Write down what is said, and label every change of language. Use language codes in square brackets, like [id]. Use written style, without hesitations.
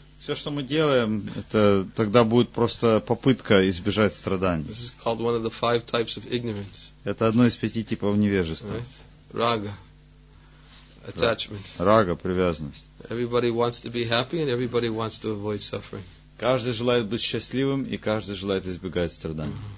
[ru] Все, что мы делаем, это тогда будет просто попытка избежать страданий. [en] This is called one of the five types of ignorance. [ru] Это одно из пяти типов невежества. [en] Рага. Attachment. [ru] Рага, привязанность. [en] Everybody wants to be happy and everybody wants to avoid suffering. [ru] Каждый желает быть счастливым и каждый желает избегать страданий.